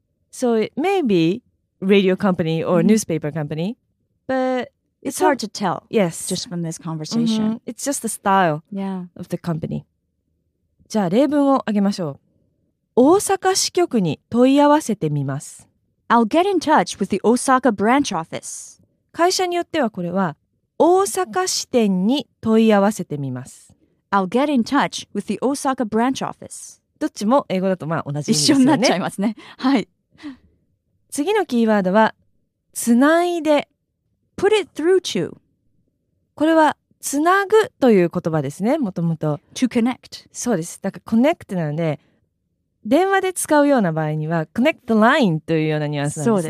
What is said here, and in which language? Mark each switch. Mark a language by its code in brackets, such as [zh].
[en] So maybe. Radio company or newspaper company, but it's hard to tell. Yes, just from this conversation, It's just the style of the company. [ja] じゃあ例文をあげましょう。大阪支局に問い合わせてみます。 [en] I'll get in touch with the Osaka branch office. [ja] 会社によってはこれは大阪支店に問い合わせてみます。 [en] I'll get in touch with the Osaka branch office. [ja] どっちも英語だとまあ同じ意味ですよね。一緒になっちゃいますね。はい。次のキーワードは、つないで。 [en] Put it through to. [ja] これは、つなぐという言葉ですね、もともと。 [en] To connect. [ja] そうです。だから、connect なので、電話で使うような場合には、 [en] connect the line [ja] というようなニュアンスなんですね。